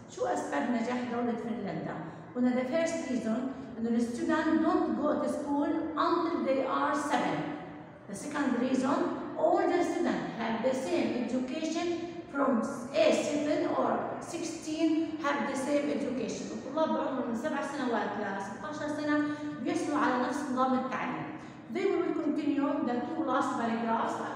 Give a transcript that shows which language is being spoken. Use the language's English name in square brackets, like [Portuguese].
[Arabic] شو أسباب نجاح دولة فنلندا؟ [English] One of the first reason, the students don't go to school until they are 7. The second reason, all the students have the same education from 7 or 16 have the same education. [Arabic] الطلاب بعمر من 7 سنوات ل 16 سنة بيحصلوا على نفس نظام التعليم. [English] Then we will continue the two last paragraphs.